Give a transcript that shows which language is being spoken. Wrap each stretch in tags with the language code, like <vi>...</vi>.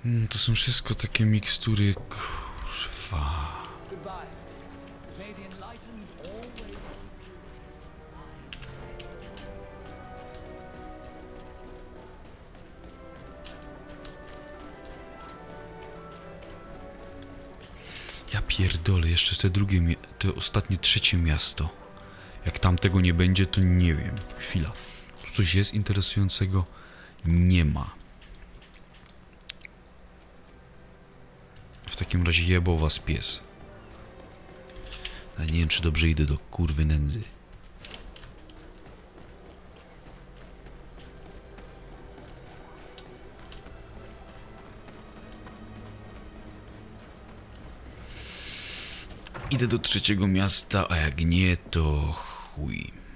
<pl>To są wszystko takie mikstury, kurwa.</pl> <en>Goodbye. May the enlightened always keep you in his mind.</en> <pl>pierdolę, jeszcze te drugie, te ostatnie, trzecie miasto. Jak tam tego nie będzie, to nie wiem. Chwila. Tu coś jest interesującego? Nie ma. W takim razie jebo was pies. Ja nie wiem, czy dobrze idę do kurwy nędzy. Idę do trzeciego miasta, a jak nie, to chuj.</pl>